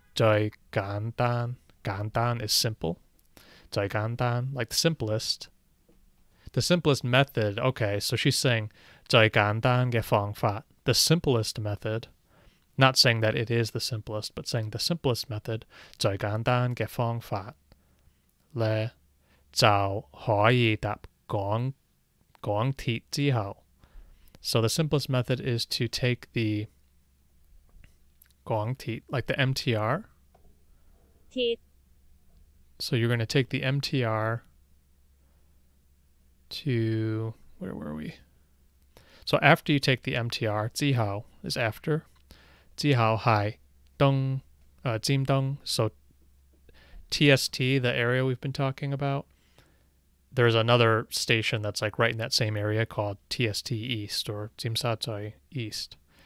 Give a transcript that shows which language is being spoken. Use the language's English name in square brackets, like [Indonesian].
[English] Zai gan dan is simple. Zai gan dan, like the simplest. The simplest method. Okay, so she's saying [Cantonese] 最簡單的方法, [English] the simplest method. Not saying that it is the simplest, but saying the simplest method. [Cantonese] 最簡單的方法咧就可以搭港鐵之後. [English] So the simplest method is to take the 港鐵, like the MTR. [Cantonese] 鐵. [English] So you're going to take the MTR to, where were we? So after you take the MTR, 之後 is after. [Cantonese] 之後是東, 尖東, [English] so TST, the area we've been talking about, there's another station that's like right in that same area called TST East or 尖沙咀East.